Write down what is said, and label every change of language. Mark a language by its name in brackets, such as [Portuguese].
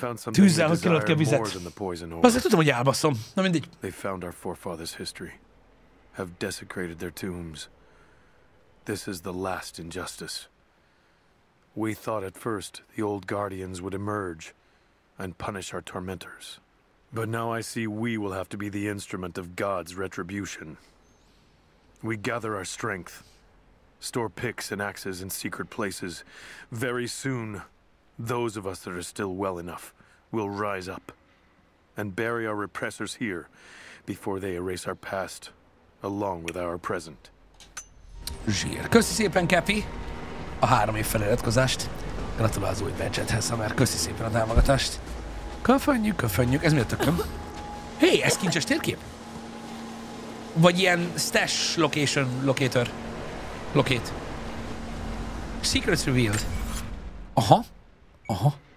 [Hungarian] Tűzzel, hogy kerülött ki a vizet. Azért tudom, hogy elbaszom. Na mindig. [English] They found our forefathers' history. Have desecrated their tombs. This is the last injustice. We thought at first the old guardians would emerge and punish our tormentors. But now I see we will have to be the instrument of God's retribution. We gather our strength, store picks and axes in secret places. Very soon, those of us that are still well enough will rise up and bury our repressors here before they erase our past along with our present. [Hungarian] Zsír. Köszi szépen, Kepi, a három év feliratkozást. Gratulál az új badgethez, ha már köszi szépen a támogatást. Köfönjük, köfönjük. Ez mi a tököm? Hé, hey, ez kincses térkép? Vagy ilyen [English] stash location locator. Locate. Secrets revealed. [Hungarian] Aha. Aha.